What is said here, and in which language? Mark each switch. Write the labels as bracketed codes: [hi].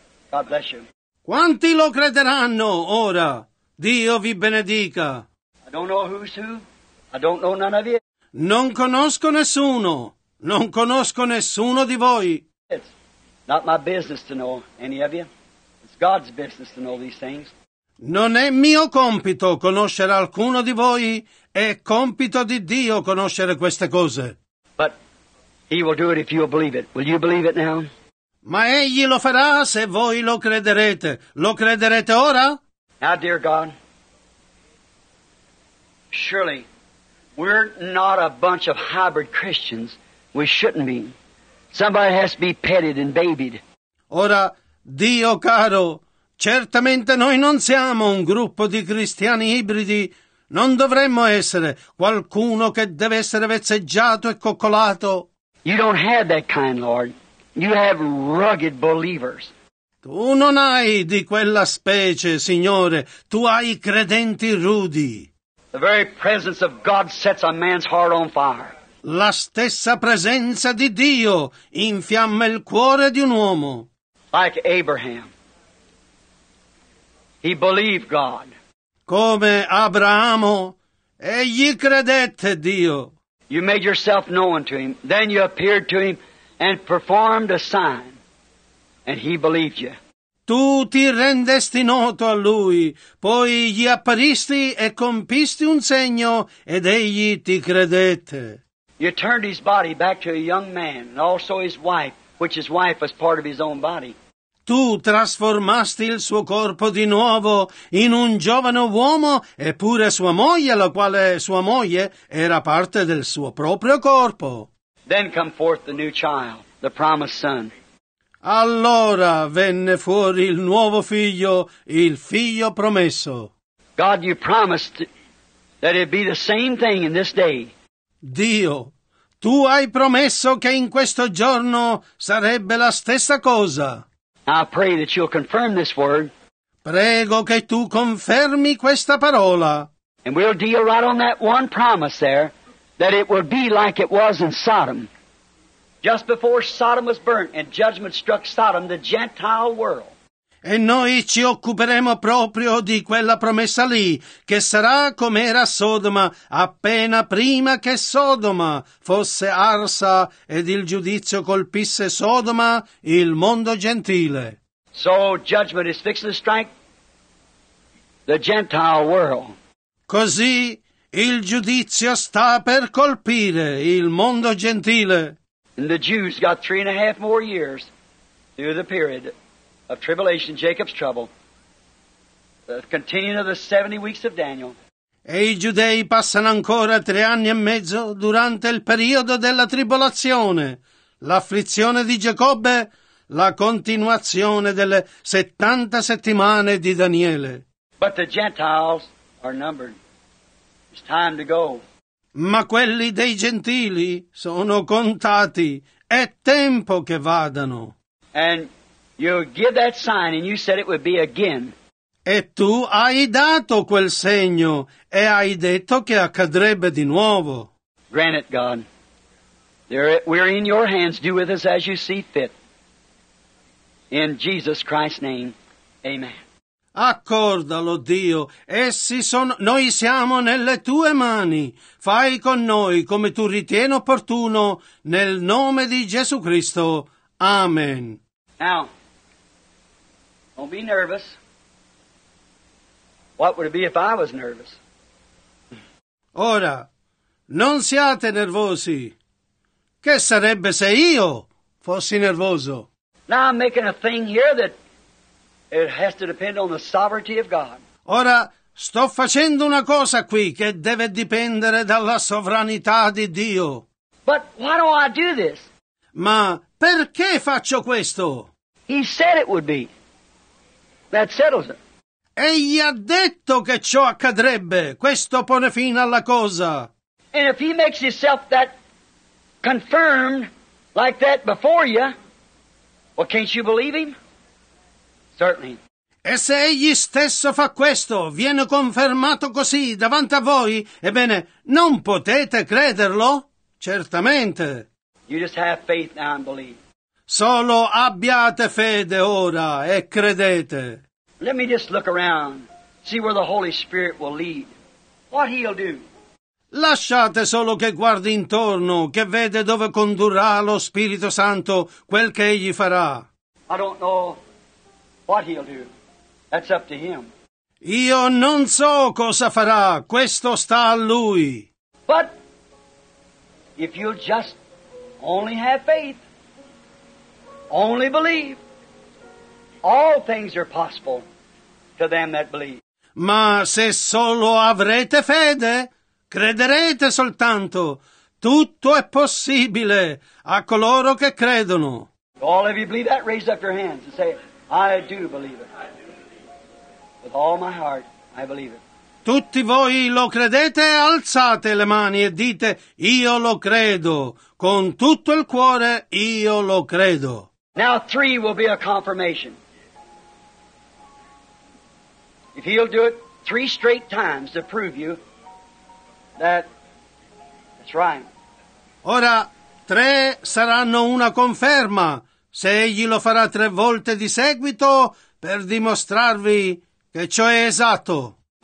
[en] God bless you. [it] Quanti lo crederanno ora? Dio vi benedica. [en] I don't know who's who. I don't know none of you. [it] Non conosco nessuno. Non conosco nessuno di voi. [en] It's not my business to know any of you. It's God's business to know these things. [it] Non è mio compito conoscere alcuno di voi. È compito di Dio conoscere queste cose. [en] But he will do it if you believe it. Will you believe it now? [it] Ma egli lo farà se voi lo crederete. Lo crederete ora? [en] Now, dear God, surely we're not a bunch of hybrid Christians. We shouldn't be. Somebody has to be petted and babied. [it] Ora, Dio caro, certamente noi non siamo un gruppo di cristiani ibridi. Non dovremmo essere qualcuno che deve essere vezzeggiato e coccolato. [en] You don't have that kind, Lord. You have rugged believers. [it] Tu non hai di quella specie, Signore, tu hai credenti rudi. [en] The very presence of God sets a man's heart on fire. [it] La stessa presenza di Dio infiamma il cuore di un uomo. [en] Like Abraham, he believed God. [it] Come Abramo, egli credette Dio. [en] You made yourself known to him, then you appeared to him and performed a sign, and he believed you. [it] Tu ti rendesti noto a lui, poi gli apparisti e compisti un segno, ed egli ti credette. [en] You turned his body back to a young man, and also his wife, which his wife was part of his own body. [it] Tu trasformasti il suo corpo di nuovo in un giovane uomo, eppure sua moglie, la quale sua moglie era parte del suo proprio corpo. [en] Then come forth the new child, the promised son. [it] Allora venne fuori il nuovo figlio, il figlio promesso. [en] God, you promised that it'd be the same thing in this day. [it] Dio, tu hai promesso che in questo giorno sarebbe la stessa cosa. [en] I pray that you'll confirm this word. [it] Prego che tu confermi questa parola. [en] And we'll deal right on that one promise there, that it will be like it was in Sodom. Just before Sodom was burnt and judgment struck Sodom, the Gentile world. [it] E noi ci occuperemo proprio di quella promessa lì, che sarà come era Sodoma, appena prima che Sodoma fosse arsa ed il giudizio colpisse Sodoma, il mondo gentile. [en] So judgment is fixing to strike the Gentile world. [it] Così il giudizio sta per colpire il mondo gentile. [en] And the Jews got 3.5 more years through the period of tribulation, Jacob's trouble, the continuing of the 70 weeks of Daniel. [it] E i giudei passano ancora 3.5 anni durante il periodo della tribolazione, l'afflizione di Giacobbe, la continuazione delle 70 settimane di Daniele. [en] But the Gentiles are numbered. It's time to go. [it] Ma quelli dei gentili sono contati. È tempo che vadano. [en] And you give that sign and you said it would be again. [it] E tu hai dato quel segno e hai detto che accadrebbe di nuovo. [en] Grant it, God. We're in your hands. Do with us as you see fit. In Jesus Christ's name. Amen. [it] Accordalo, Dio. Noi siamo nelle tue mani. Fai con noi come tu ritieni opportuno. Nel nome di Gesù Cristo. Amen. [en] Now, don't be nervous. What would it be if I was nervous? [it] Ora, non siate nervosi. Che sarebbe se io fossi nervoso? [en] Now I'm making a thing here that it has to depend on the sovereignty of God. [it] Ora, sto facendo una cosa qui che deve dipendere dalla sovranità di Dio. [en] But why do I do this? [it] Ma perché faccio questo? [en] He said it would be. That settles it. [it] Egli ha detto che ciò accadrebbe. Questo pone fine alla cosa. [en] And if he makes himself that confirmed like that before you, well, can't you believe him? Certainly. [it] E se egli stesso fa questo, viene confermato così davanti a voi, ebbene, non potete crederlo? Certamente. [en] You just have faith now and believe. [it] Solo abbiate fede ora e credete. [en] Let me just look around, see where the Holy Spirit will lead, what he'll do. [it] Lasciate solo che guardi intorno, che vede dove condurrà lo Spirito Santo, quel che egli farà. [en] I don't know what he'll do. That's up to him. [it] Io non so cosa farà, questo sta a lui. [en] But if you just only have faith, only believe, all things are possible to them that believe. [it] Ma se solo avrete fede, crederete soltanto, tutto è possibile a coloro che credono. [en] All of you believe that, raise up your hands and say, I do believe it. With all my heart, I believe it. [it] Tutti voi lo credete? Alzate le mani e dite, io lo credo. Con tutto il cuore, io lo credo. [en] Now three will be a confirmation. If he'll do it three straight times to prove you that it's right. [it] Ora, tre saranno una conferma se egli lo farà tre volte di seguito per dimostrarvi che ciò è esatto.